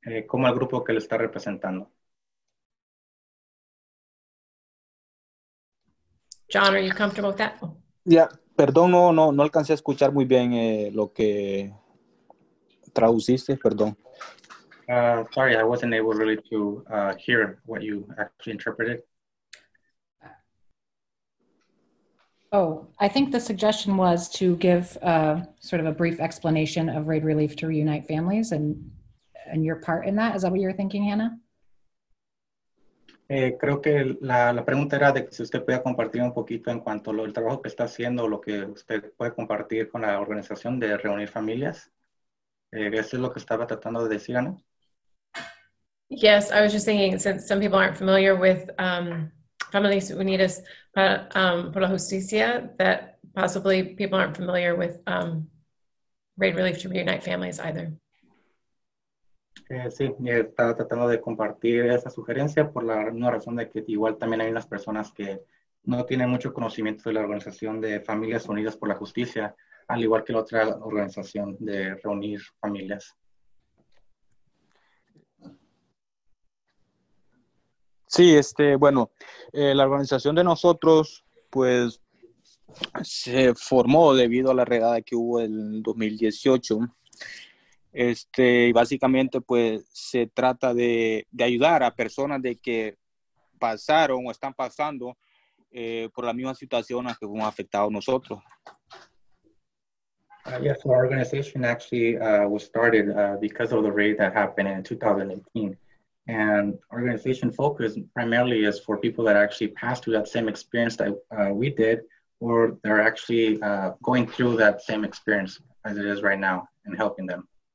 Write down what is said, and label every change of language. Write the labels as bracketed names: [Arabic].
[Spanish] Como el grupo que le está representando. [English] John, are you comfortable with that? Yeah. [Spanish] Perdón, no alcancé a escuchar muy bien lo que traduciste, perdón. [English] Sorry, I wasn't able really to hear what you actually interpreted. Oh, I think the suggestion was to give sort of a brief explanation of raid relief to reunite families and your part in that. Is that what you were thinking, Hannah? [Spanish] Creo que la pregunta era de que si usted puede compartir un poquito en cuanto al trabajo que está haciendo, lo que usted puede compartir con la organización de reunir familias. Eso es lo que estaba tratando de decir, Ana. [English] Yes, I was just thinking, since some people aren't familiar with Familias Unidas por la Justicia, that possibly people aren't familiar with Raid Relief to Reunite Families either. [Spanish] Sí, estaba tratando de compartir esa sugerencia por la misma razón de que igual también hay unas personas que no tienen mucho conocimiento de la organización de Familias Unidas por la Justicia, al igual que la otra organización de reunir familias. Sí, bueno, la organización de nosotros, pues, se formó debido a la redada que hubo en 2018. Y básicamente, pues, se trata de ayudar a personas de que pasaron o están pasando por la misma situación a que fuimos afectados nosotros. [English] Yes, our organization actually was started because of the raid that happened in 2018. And organization focus primarily is for people that actually passed through that same experience that we did, or they're actually going through that same experience as it is right now and helping them.